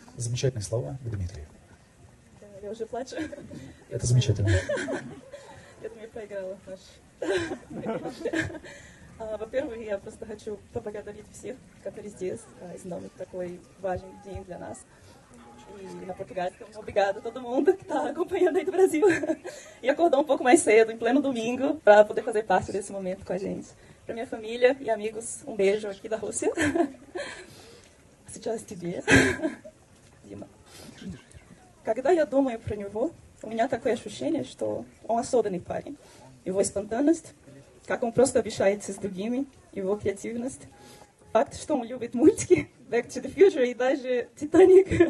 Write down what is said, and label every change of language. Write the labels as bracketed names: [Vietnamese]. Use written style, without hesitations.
[Russian] Замечательные слова к Дмитрию. Да, я уже плачу. Это замечательно. Я думаю, я проиграла наш. Во-первых, я просто хочу поблагодарить всех, которые здесь. Это такой важный день для нас. [Portuguese] E na portuguesa, muito obrigada a todo mundo que está acompanhando aí do Brasil. E acordou um pouco mais cedo, em pleno domingo, para poder fazer parte desse momento com a gente. Para minha família e amigos, um beijo aqui da Rússia. [Russian] Сейчас тебе. Дима. Когда я думаю про него, у меня такое ощущение, что он особенный парень. Его спонтанность, как он просто общается с другими, его креативность. Факт, что он любит мультики, Back to the Future и даже Титаник.